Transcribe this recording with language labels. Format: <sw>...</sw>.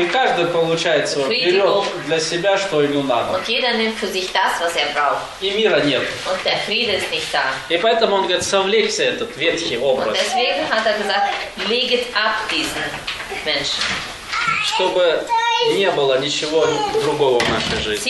<ru>И каждый получает свое, берет для себя, что ему надо.</ru> <de>Und jeder nimmt für sich das, was er braucht.</de> <ru>И мира нет.</ru> <de>Und der Friede ist nicht da.</de> <ru>И поэтому он говорит, совлечься этот ветхий образ.</ru> <de>Und deswegen hat er gesagt, legt ab diesen Menschen.</de> <ru>Чтобы не было ничего другого в нашей жизни.</ru>